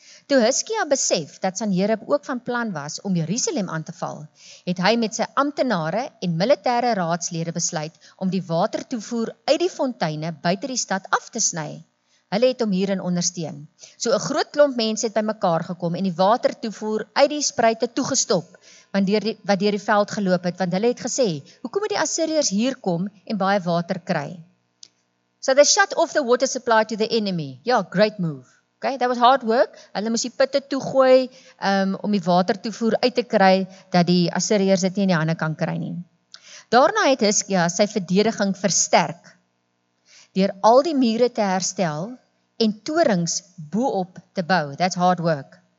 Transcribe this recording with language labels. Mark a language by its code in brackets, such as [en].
[af] Toe Hizkia besef dat Sanherib ook van plan was om Jerusalem aan te val, het hy met sy amptenare en militêre raadslede besluit om die watertoevoer uit die fonteine buite die stad af te sny. Hulle het hom hierin ondersteun. So 'n groot klomp mense het bymekaar gekom en die watertoevoer uit die spruite toegestop, wat deur die veld geloop het, want hulle het gesê, hoekom moet die Assyriërs hier kom en baie water kry? [en] So they shut off the water supply to the enemy. Ja, great move. Okay, that was hard work. [af] Hulle moes die putte toegooi om die watertoevoer uit te kry, dat die Assyriërs dit nie in die hande kan kry nie. Daarna het Hizkia sy verdediging versterk, deur al die mure te herstel en torings boop te bou. [en] That's hard work.